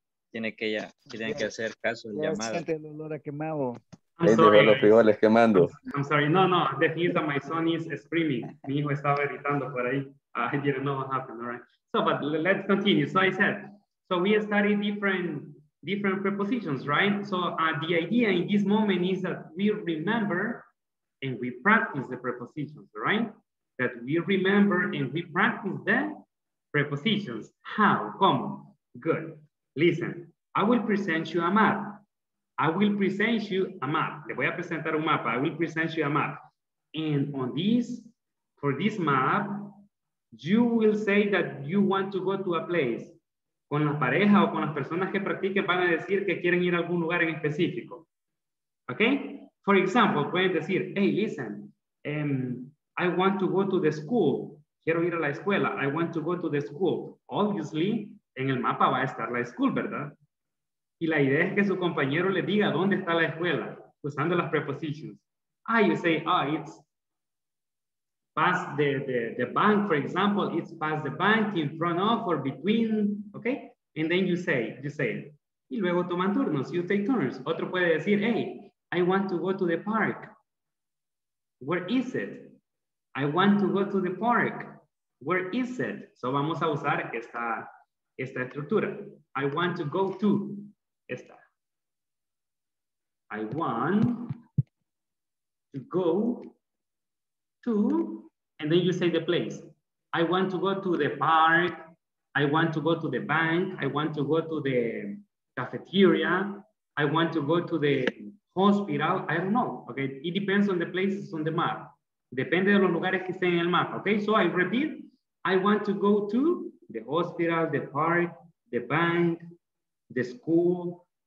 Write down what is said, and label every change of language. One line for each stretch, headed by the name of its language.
Spanish: Tiene que ya, tienen que hacer caso al llamado. Siente el olor a quemado. Ahí dejó los frijoles quemando.
English: I'm sorry, no, no, definitely my son is screaming.
Spanish: Mi hijo estaba gritando por ahí.
English: I didn't know what happened, all right? So, but let's continue. So I said, so we study different prepositions, right? So the idea in this moment is that we remember and we practice the prepositions, right? That we remember and we practice the prepositions. How?
Spanish: Como?
English: Good. Listen, I will present you a map. I will present you a map.
Spanish: Le voy a presentar un mapa.
English: I will present you a map. And on this, for this map, you will say that you want to go to a place.
Spanish: Con la pareja o con las personas que practiquen van a decir que quieren ir a algún lugar en específico.
English: Okay? For example,
Spanish: pueden decir,
English: hey, listen, I want to go to the school.
Spanish: Quiero ir a la escuela.
English: I want to go to the school.
Spanish: Obviously, en el mapa va a estar la school, ¿verdad? Y la idea es que su compañero le diga dónde está la escuela, usando las prepositions.
English: Ah, you say, oh, it's past the bank, for example, it's past the bank, in front of, or between, okay? And then you say,
Spanish: y luego toman turnos,
English: you take turns.
Spanish: Otro puede decir,
English: hey, I want to go to the park. Where is it? I want to go to the park. Where is it? So
Spanish: vamos a usar esta estructura.
English: I want to go to, esta. I want to go to, and then you say the place. I want to go to the park. I want to go to the bank. I want to go to the cafeteria. I want to go to the hospital. I don't know, okay? It depends on the places on the map.
Spanish: Depende de los lugares que estén en el mapa, okay?
English: So I repeat, I want to go to the hospital, the park, the bank, the school.